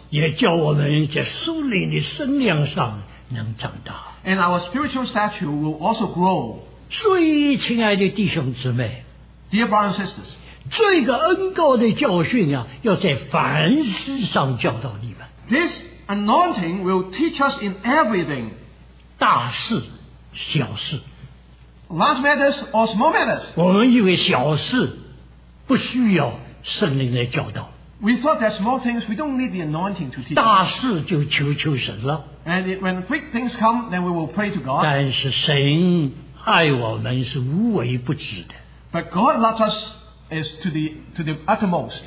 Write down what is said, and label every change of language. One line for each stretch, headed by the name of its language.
Chinese: 也叫我们在属灵的身量上能长大,
English: and our spiritual stature will also grow.
Chinese: 所以亲爱的弟兄姊妹,
English: dear brothers and sisters,
Chinese: 这个恩膏的教训啊, 要在凡事上教导你们,
English: this anointing will teach us in everything.
Chinese: 大事, 小事,
English: large matters or small matters.
Chinese: 我们以为小事, 不需要圣灵来教导,
English: we thought that small things, we don't need the anointing to teach.
Chinese: 大事就求求神了,
English: and it, when big things come, then we will pray to God.
Chinese: 但是神爱我们是无微不至的,
English: but God loves us is to the uttermost.